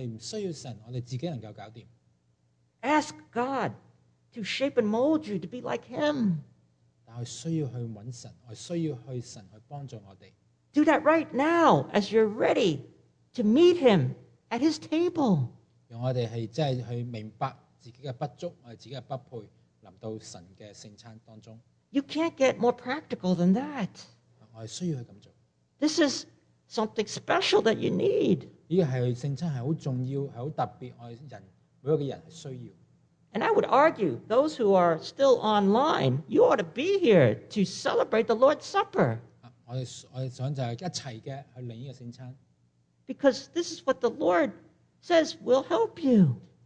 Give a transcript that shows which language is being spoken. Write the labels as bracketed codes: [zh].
[yue] 我哋好多时觉得就系话我哋自己能够做到，我哋唔需要神，我哋自己能够搞掂。 [en] Ask God to shape and mold you to be like Him. [yue] 但系需要去揾神，我需要去神去帮助我哋。 [en] Do that right now as you're ready to meet Him at His table. [yue] 让我哋系真系去明白。自己的不足，我自己的不配，临到神嘅圣餐当中。 [en] You can't get more practical than that. [yue] 我系需要去咁做。 [en] This is something special that you need. [yue] 呢个系圣餐系好重要，系好特别，我人每一个人系需要。 [en] And I would argue those who are still online, you ought to be here to celebrate the Lord's Supper. [yue] 我想就系一齐嘅去领呢个圣餐。 [en] Because this is what the Lord says will help you.